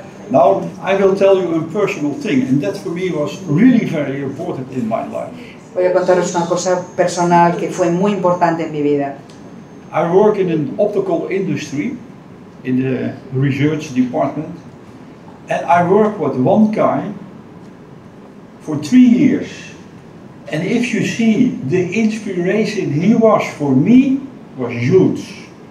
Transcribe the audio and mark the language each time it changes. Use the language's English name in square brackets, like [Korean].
[English] Now I will tell you a personal thing, and that for me was really very important in my life. [Spanish] Voy a contaros una cosa personal que fue muy importante en mi vida. [English] I work in an optical industry, in the research department, and I work with one guy for 3 years. And if you see, the inspiration he was for me was huge.